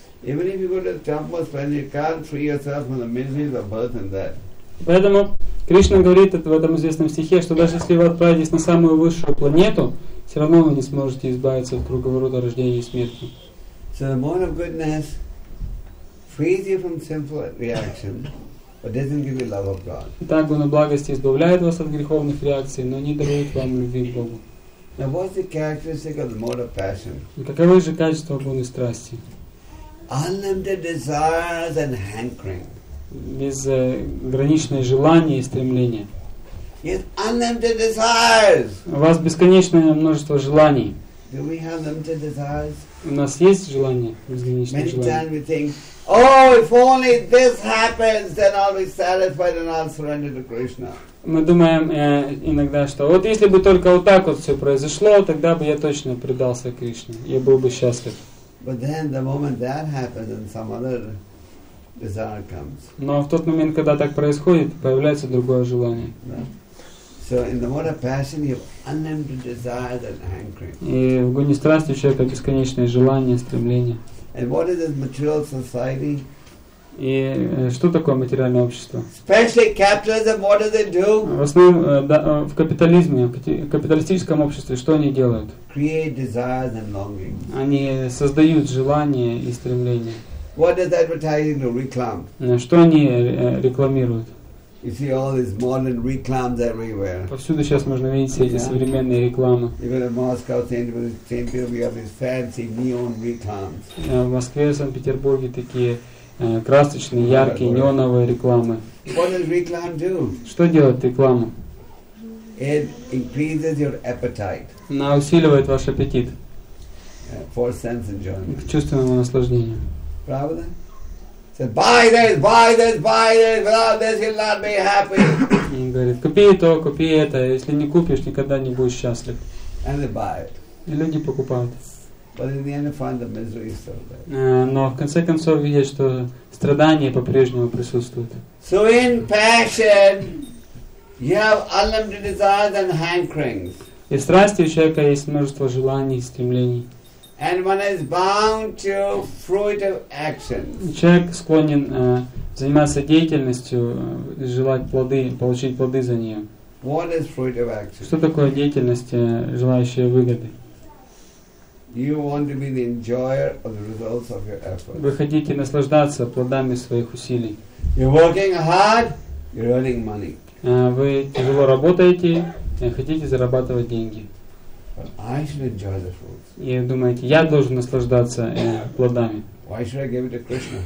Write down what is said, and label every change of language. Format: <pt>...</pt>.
<en>Even if you go to the temple, spend your car, free yourself from the miseries of birth and death.</en> <ru>Поэтому Кришна говорит в этом известном стихе, что даже если вы отправитесь на самую высшую планету, все равно вы не сможете избавиться от круговорота рождения и смерти.</ru> <en>So the mode of goodness frees you from sinful reaction. But doesn't give you love of God.</en> <ru>Так гуна благости избавляет вас от греховных реакций, но не дарует вам любви к Богу.</ru> <en>Now, what's the characteristic of the mode of passion?</en> <ru>Каковы же качества гуны страсти?</ru> <en>Unlimited desires and hankering.</en> <ru>Безграничные желания и стремления.</ru> <en>Yes, unlimited desires.</en> <ru>У вас бесконечное множество желаний.</ru> <en>Do we have limited desires?</en> <ru>У нас есть желания, безграничные желания.</ru> <en>Many times we think. Oh, if only this happens, then I'll be satisfied and I'll surrender to Krishna.</en> <ru>Мы думаем иногда, что вот если бы только вот так вот все произошло, тогда бы я точно предался Кришне, я был бы счастлив.</ru> <en>But then the moment that happens, and some other desire comes.</en> <ru>Но в тот момент, когда так происходит, появляется другое желание.</ru> <en>So in the mode of passion, you have unlimited desires and hankering.</en> <ru>И в гуне страсти у человека бесконечные желания, стремления.</ru> <en>And what is this material society?</en> <ru>И что такое материальное общество?</ru> <en>Especially capitalism, what do they do?</en> <ru>В основном в капитализме, в капиталистическом обществе, что они делают?</ru> <en>Create desires and longings.</en> <ru>Они создают желания и стремления.</ru> <en>What does advertising do? Reclam.</en> <ru>Что они рекламируют?</ru> <en>You see all these modern reclams everywhere.</en> <ru>Повсюду сейчас можно видеть все эти современные рекламы.</ru> <en>Even in Moscow, Saint Petersburg, we have these fancy neon reclams.</en> <ru>В Москве, Санкт-Петербурге такие красочные, яркие, неоновые рекламы.</ru> <en>What does reclam do?</en> <ru>Что делает реклама?</ru> <en>It increases your appetite.</en> <ru>Она усиливает ваш аппетит.</ru> <en>For sense enjoyment.</en> <ru>К чувственному наслаждению. Правда?</ru> <en>Said, buy this, without this you'll not be happy.</en> <ru>И говорит, купи то, купи это, если не купишь, никогда не будешь счастлив.</ru> <en>And they buy it.</en> <ru>И люди покупают.</ru> <en>But in the end they find the misery is still there.</en> <ru>Но в конце концов видят, что страдания по-прежнему присутствуют.</ru> <en>So in passion, you have unlimited desires and hankerings.</en> <ru>И в страсти у человека есть множество желаний и стремлений.</ru> <en>And one is bound to fruitive actions.</en> <ru>Человек склонен заниматься деятельностью, желать плоды, получить плоды за нее.</ru> <en>What is fruitive action?</en> <ru>Что такое деятельность, желающая выгоды?</ru> <en>You want to be the enjoyer of the results of your efforts.</en> <ru>Вы хотите наслаждаться плодами своих усилий.</ru> <en>You're working hard, you're earning money.</en> <ru>Вы тяжело работаете, хотите зарабатывать деньги.</ru> <en>I should enjoy the fruits.</en> <ru>И думаете, я должен наслаждаться плодами.</ru> <en>Why should I give it to Krishna?</en>